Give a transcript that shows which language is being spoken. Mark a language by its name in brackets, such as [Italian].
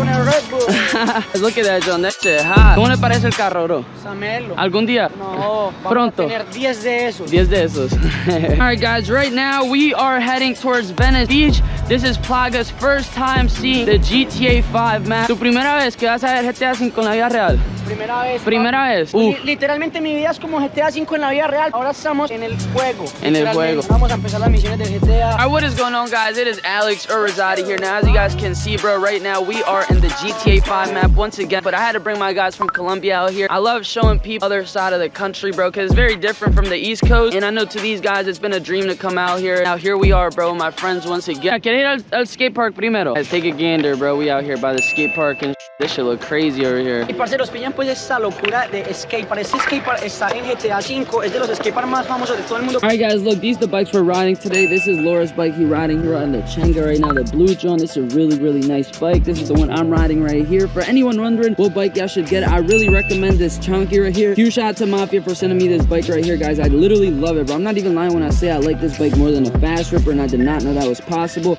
[English] Look at that, John. That shit hot. [Spanish] ¿Cómo le parece el carro, bro? Samelo. ¿Algún día? No. Pronto. Vamos a tener 10 de esos. 10 de esos. [English] All right, guys. Right now, we are heading towards Venice Beach. This is Plaga's first time seeing the GTA 5, man. [Spanish] ¿Tu primera vez que vas a ver GTA 5 en la vida real? Primera vez. Literalmente, mi vida es como GTA 5 en la vida real. Ahora estamos en el juego. En el juego. Vamos a empezar las misiones de GTA. [English] All right, what is going on, guys? It is Alex or Rozaati here. Now, as you guys can see, bro, right now, we are in the GTA 5 map once again. But I had to bring my guys from Colombia out here. I love showing people other side of the country, bro, because it's very different from the East Coast. And I know to these guys, it's been a dream to come out here. Now, here we are, bro, my friends once again. Get it [Spanish] al [English] skate park [Spanish] primero. [English] Let's take a gander, bro. We out here by the skate park and this shit look crazy over here. [Spanish] Y parceros, pillan pues esta locura de skate park. Este skate park está en GTA 5. Es de los skate park más famosos de todo el mundo. [English] All right, guys, look, these are the bikes we're riding today. This is Laura's bike. He's riding here on the Changa right now. The blue John. This is a really, really nice bike. This is the one I'm riding right here. For anyone wondering what bike y'all should get, I really recommend this Chunky right here. Huge shout out to Mafia for sending me this bike right here, guys. I literally love it, bro. I'm not even lying when I say I like this bike more than a Fast Ripper, and I did not know that was possible.